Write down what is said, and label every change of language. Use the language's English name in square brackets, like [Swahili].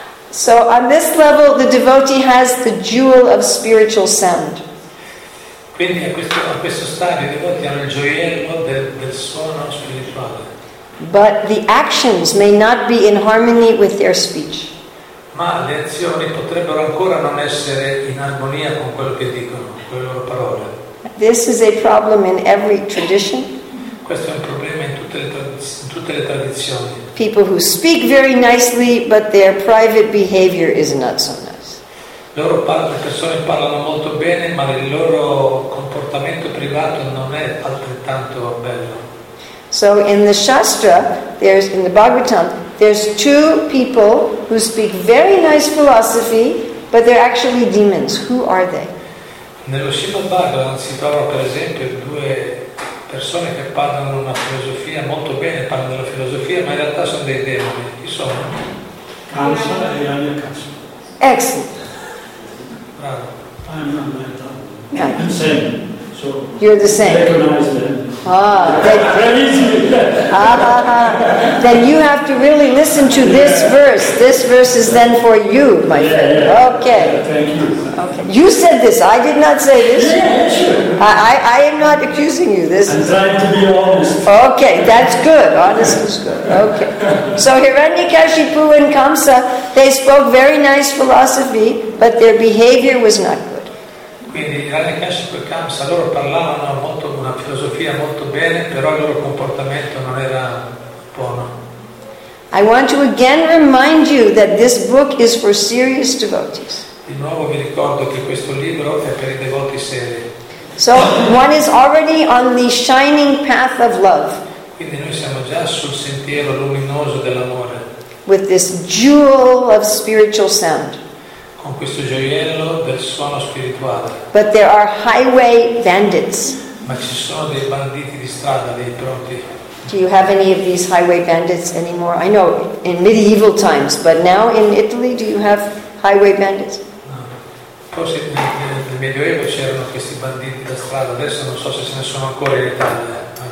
[English] So on this level, the devotee has the jewel of spiritual sound. [Italian] Quindi a questo stadio i devoti hanno il gioiello del suono spirituale. [English] But the actions may not be in harmony with their speech. [Italian] Ma le azioni potrebbero ancora non essere in armonia con quello che dicono, con le loro parole. [English] This is a problem in every tradition. [Italian] Questo è un problema in tutte le tradizioni. [English] People who speak very nicely, but their private behavior is not so nice. [Italian] Le persone parlano molto bene, ma il loro comportamento privato non è altrettanto bello. [English] So in the Shastra, in the Bhagavatam, there's two people who speak very nice philosophy, but they're actually demons. Who are they? [Italian] Nello Srimad Bhagavatam si trovano, per esempio, due persone che parlano una filosofia molto bene, parlano della filosofia, ma in realtà sono dei demoni. Chi sono? Kamsa e Aryakamsa. [English] Excellent. I'm not the same. You're the same. Recognize them. Then you have to really listen to this verse. This verse is then for you, my friend. Yeah. Okay. Thank you. Okay. You said this. I did not say this. Yeah, sure. I am not accusing you. This. I'm trying to be honest. Okay, that's good. Honest is good. Okay. So Hiranyakashipu and Kamsa, they spoke very nice philosophy, but their behavior was not good. [Italian] Quindi Hiranyakashipu e Kamsa, loro parlavano molto una filosofia molto bene, però il loro comportamento non era buono. [English] I want to again remind you that this book is for serious devotees. [Italian] Di nuovo vi ricordo che questo libro è per i devoti seri. [English] So one is already on the shining path of love. [Italian] Quindi noi siamo già sul sentiero luminoso dell'amore. [English] With this jewel of spiritual sound. [Italian] Con questo gioiello del suono spirituale. [English] But there are highway bandits. [Italian] Ma ci sono dei banditi di strada, dei pronti. [English] Do you have any of these highway bandits anymore? I know in medieval times, but now in Italy, do you have highway bandits? No. [Italian] Forse nel Medioevo c'erano questi banditi da strada. Adesso non so se ce ne sono ancora in Italia.